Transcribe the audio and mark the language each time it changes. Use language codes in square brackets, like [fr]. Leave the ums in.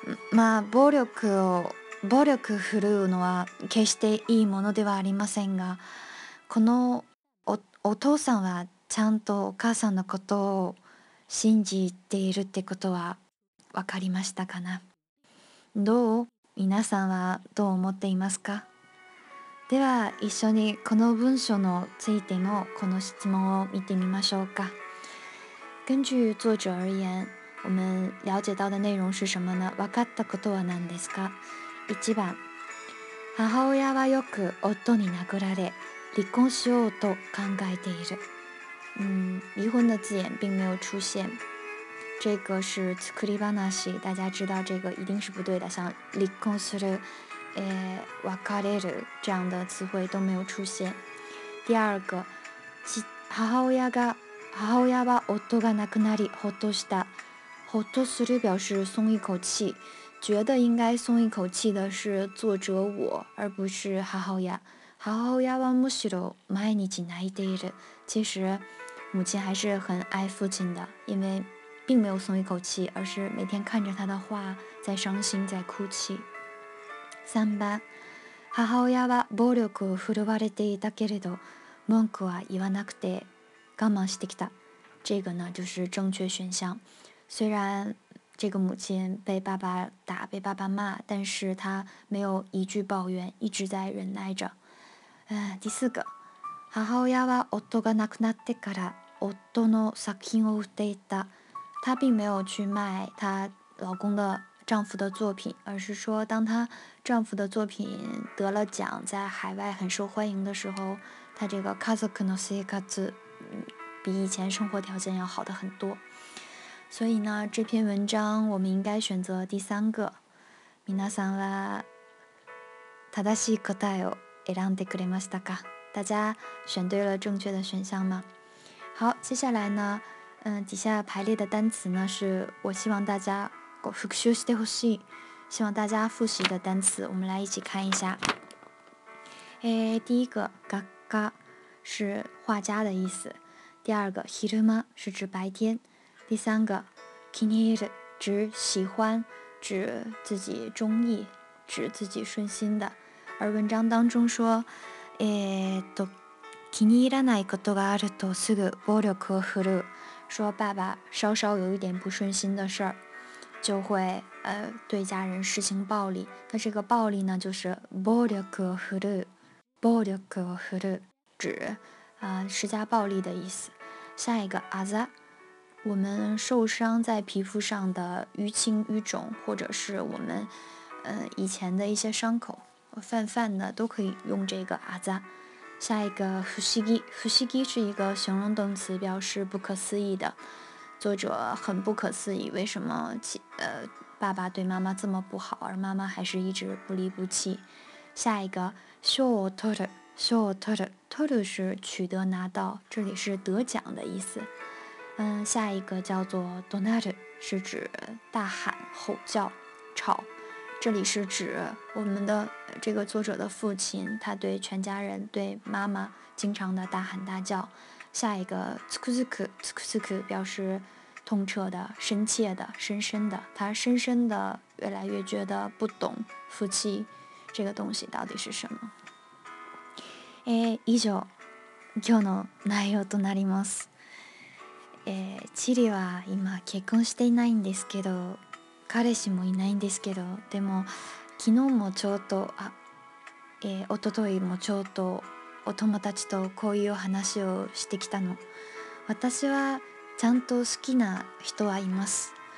[ja] まあ暴力を暴力振るうのは決していいものではありませんがこのお父さんはちゃんとお母さんのことを信じているってことは分かりましたかなどう皆さんはどう思っていますかでは一緒にこの文章のついてのこの質問を見てみましょうか。 [zh] 根据作者而言、我们了解到的内容是什么呢？ [ja] 分かったことは何ですか？1番、母親はよく夫に殴られ、離婚しようと考えている。 [zh] 嗯，离婚的字眼并没有出现，这个是“作り話”，大家知道这个一定是不对的，像“离婚する”。诶，瓦卡列る这样的词汇都没有出现。第二个， [ja] 母親が母親は夫が亡くなりほっとした。 [zh] ほっとする表示松一口气，觉得应该松一口气的是作者我，而不是母親。 [ja] 母親はむしろ毎日泣いている。 [zh] 其实母亲还是很爱父亲的，因为并没有松一口气，而是每天看着他的画在伤心，在哭泣。 [ja] 3番母親は暴力を振るわれていたけれど文句は言わなくて我慢してきた [zh] 这个呢就是正确选项虽然这个母亲被爸爸打被爸爸骂但是她没有一句抱怨一直在忍耐着嗯第四个 [ja] 母親は夫が亡くなってから夫の作品を売っていた [zh] 她并没有去卖她老公的丈夫的作品，而是说当她丈夫的作品得了奖，在海外很受欢迎的时候，她这个家族の生活嗯比以前生活条件要好的很多。所以呢，这篇文章我们应该选择第三个。 [ja] 皆さんは正しい答えを選んでくれましたか？ [zh] 大家选对了正确的选项吗？好，接下来呢，嗯、底下排列的单词呢是我希望大家 [ja] ご復習してほしい， [zh] 希望大家复习的单词，我们来一起看一下。诶，第一个“嘎嘎”是画家的意思，第二个“昼間”是指白天，第三个“気に入る”指喜欢，指自己中意，指自己顺心的。而文章当中说， [ja] えー、っと気に入らないことがあるとすぐ暴力を振るう。 [zh] 说爸爸稍稍有一点不顺心的事儿，就会呃对家人施行暴力。那这个暴力呢，就是暴力を振るう，暴力を振るう，指啊、呃施加暴力的意思。下一个あざ，我们受伤在皮肤上的淤青、淤肿，或者是我们呃以前的一些伤口、泛泛的，都可以用这个あざ。下一个不思議，不思議是一个形容动词，表示不可思议的。作者很不可思议，为什么其呃爸爸对妈妈这么不好，而妈妈还是一直不离不弃。下一个賞を取る，賞を取る，取る是取得、拿到，这里是得奖的意思。嗯，下一个叫做怒鳴る，是指大喊、吼叫、吵。这里是指我们的呃这个作者的父亲，他对全家人、对妈妈经常的大喊大叫。下一个 t s u k u t s u k u 表示痛彻的、深切的、深深的。他深深的、越来越觉得不懂夫妻这个东西到底是什么。 [ja] えー以上今日の内容となります。えーチリは今結婚していないんですけど彼氏もいないんですけどでも昨日もちょうどあ、えー、一昨日もちょうどお友達とこういう話をしてきたの私はちゃんと好きな人はいます